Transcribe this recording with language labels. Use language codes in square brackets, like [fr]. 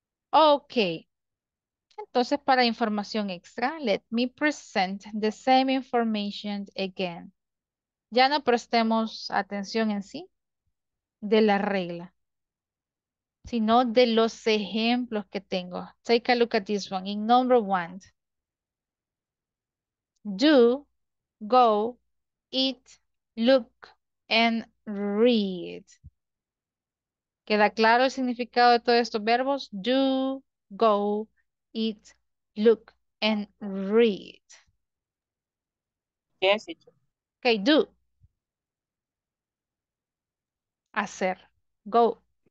[en] Ok, [es] entonces para información extra, [en] let me present the same information again. [es] Ya no prestemos atención en sí de la regla, sino de los ejemplos que tengo. [en] Take a look at this one. In number one, do, go, eat, look, and read. [es] ¿Queda claro el significado de todos estos verbos? [en] Do, go, eat, look, and read. [es] ¿Qué has hecho? [en] Okay, do. [es] Hacer. [en] Go.